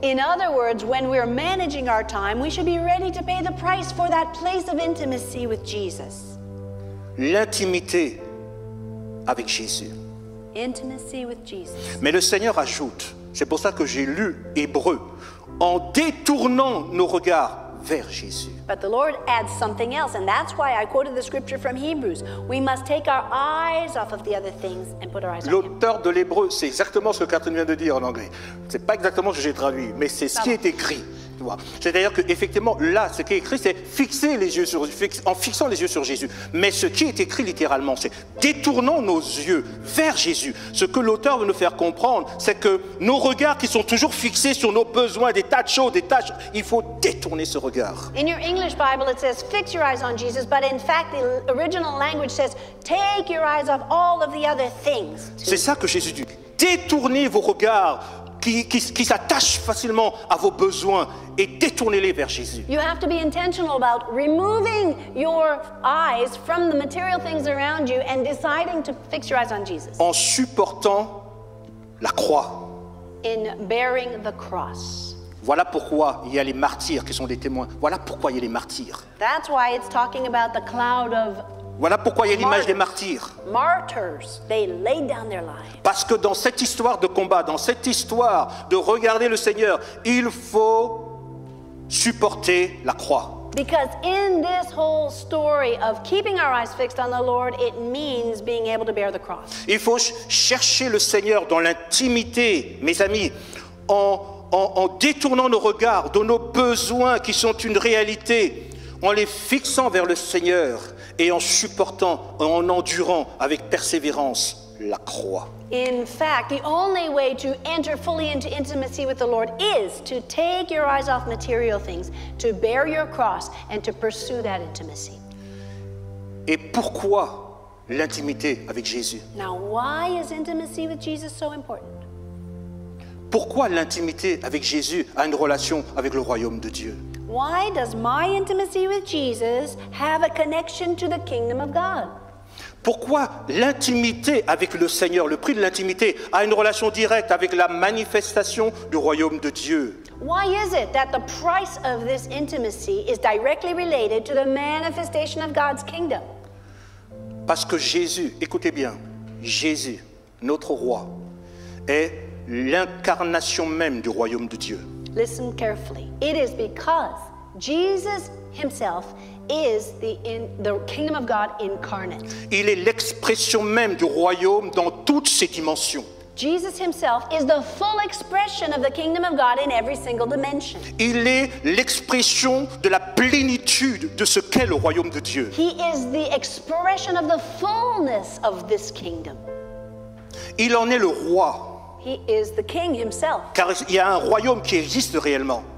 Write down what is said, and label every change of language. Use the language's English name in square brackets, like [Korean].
[English] In other words, when we are managing our time, we should be ready to pay the price for that place of intimacy with Jesus. [French] L'intimité avec Jésus. [English] Intimacy with Jesus. [French] Mais le Seigneur ajoute, c'est pour ça que j'ai lu Hébreux, en détournant nos regards vers Jésus. [English] But the Lord adds something else, and that's why I quoted the scripture from Hebrews. We must take our eyes off of the other things and put our eyes on Him. [French] L'auteur de l'Hébreux, c'est exactement ce que Catherine vient de dire en anglais. C'est pas exactement ce que j'ai traduit, mais c'est ce qui est écrit. C'est-à-dire qu'effectivement, là, ce qui est écrit, c'est fixer les yeux sur, en fixant les yeux sur Jésus. Mais ce qui est écrit littéralement, c'est détournons nos yeux vers Jésus. Ce que l'auteur veut nous faire comprendre, c'est que nos regards qui sont toujours fixés sur nos besoins, des tas de choses, des tâches, il faut détourner ce regard. [English] In your English Bible, it says, fix your eyes on Jesus, but in fact, the original language says, take your eyes off all of the other things. [French] C'est ça que Jésus dit. Détournez vos regards qui s'attachent facilement à vos besoins et détournez-les vers Jésus. [English] You have to be intentional about removing your eyes from the material things around you and deciding to fix your eyes on Jesus. [French] En supportant la croix. [English] In bearing the cross. [French] Voilà pourquoi il y a les martyrs qui sont des témoins. Voilà pourquoi il y a les martyrs. [English] That's why it's talking about the cloud of [French] Voilà pourquoi il y a l'image des martyrs. [English] Martyrs, they laid down their lives. [French] Parce que dans cette histoire de combat, dans cette histoire de regarder le Seigneur, il faut supporter la croix. [English] Because in this whole story of keeping our eyes fixed on the Lord, it means being able to bear the cross. [French] Il faut chercher le Seigneur dans l'intimité, mes amis, en détournant nos regards de nos besoins qui sont une réalité, en les fixant vers le Seigneur. Et en supportant, en endurant avec persévérance la croix. [English] In fact, the only way to enter fully into intimacy with the Lord is to take your eyes off material things, to bear your cross, and to pursue that intimacy. [French] Et pourquoi l'intimité avec Jésus? [English] Now, why is intimacy with Jesus so important? [French] Pourquoi l'intimité avec Jésus a une relation avec le royaume de Dieu? [English] Why does my intimacy with Jesus have a connection to the kingdom of God? [French] Pourquoi l'intimité avec le Seigneur, le prix de l'intimité, a une relation directe avec la manifestation du royaume de Dieu? [English] Why is it that the price of this intimacy is directly related to the manifestation of God's kingdom? [French] Parce que Jésus, écoutez bien, Jésus, notre roi, est l'incarnation même du royaume de Dieu. [English] Listen carefully. It is because Jesus himself is the kingdom of God incarnate. [French] Il est l'expression même du royaume dans toutes ses dimensions. [English] Jesus himself is the full expression of the kingdom of God in every single dimension. [French] Il est l'expression de la plénitude de ce qu'est le royaume de Dieu. [English] He is the expression of the fullness of this kingdom. [French] Il en est le roi. [English] He is the king himself. [French] Car il y a un royaume qui existe réellement.